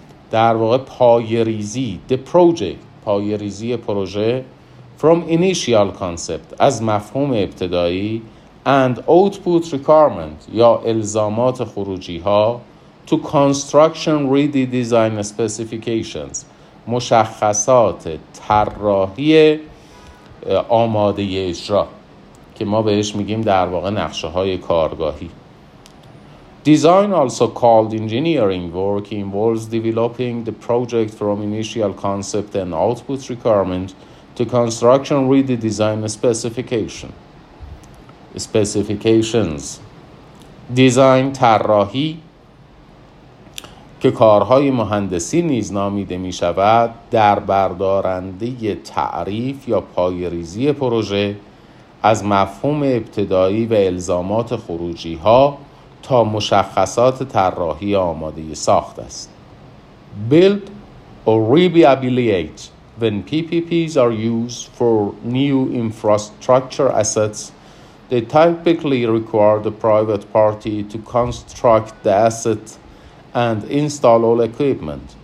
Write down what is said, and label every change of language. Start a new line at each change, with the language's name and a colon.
Persian: در واقع پایه‌ریزی,
English: the project,
Persian: پایه‌ریزی پروژه,
English: from initial concept,
Persian: از مفهوم ابتدایی,
English: and output requirement
Persian: یا الزامات خروجی ها,
English: to construction ready design specifications,
Persian: مشخصات طراحی آماده اجرا که ما بهش میگیم در واقع نقشه های کارگاهی.
English: Design, also called engineering work, involves developing the project from initial concept and output requirement to construction ready design specifications.
Persian: Design, طراحی, که کارهای مهندسی نیز نامیده می شود, در بردارنده تعریف یا پایه‌ریزی پروژه از مفهوم ابتدایی و الزامات خروجی ها تا مشخصات طراحی آماده ساخت است.
English: Build or rehabilitate when PPPs are used for new infrastructure assets, they typically require the private party to construct the asset and install all equipment.